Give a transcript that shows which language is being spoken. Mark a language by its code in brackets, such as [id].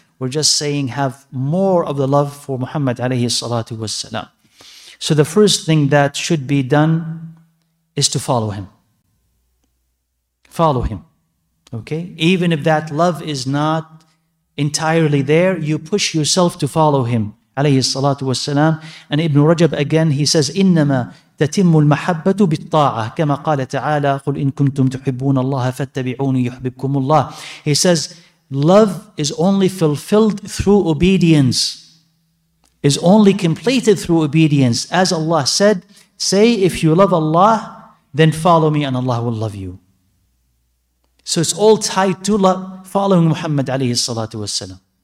[en] We're just saying have more of the love for Muhammad alayhi salatu wasalam. So the first thing that should be done is to follow him. Follow him. Okay? Even if that love is not entirely there, you push yourself to follow him alayhi salatu wasalam. And Ibn Rajab again, he says, [ar] إِنَّمَا تَتِمُّ الْمَحَبَّةُ بِالطَّاعَةِ كَمَا قَالَ تَعَالَى قُلْ إِن كُنْتُمْ تُحِبُّونَ اللَّهَ فَاتَّبِعُونِ يُحْبِبْكُمُ اللَّهِ. [en] He says, love is only fulfilled through obedience, is only completed through obedience. As Allah said, say, if you love Allah, then follow me and Allah will love you. So it's all tied to love, following Muhammad alayhi salatu wasalam.